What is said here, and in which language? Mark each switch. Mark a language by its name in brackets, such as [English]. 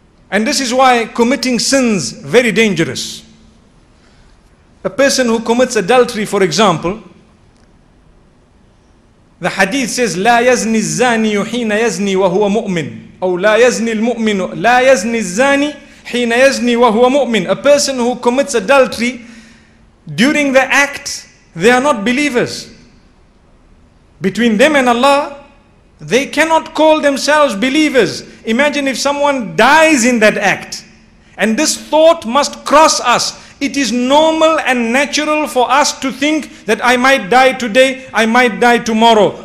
[English] And this is why committing sins very dangerous. A person who commits adultery, for example, the hadith says, [Arabic] لا يزني الزاني حين يزني وهو مؤمن. أو لا يزني المؤمن. لا يزني الزاني حين يزني وهو مؤمن. [English] A person who commits adultery, during the act, they are not believers. Between them and Allah, They cannot call themselves believers. Imagine if someone dies in that act. And this thought must cross us. It is normal and natural for us to think that I might die today, I might die tomorrow.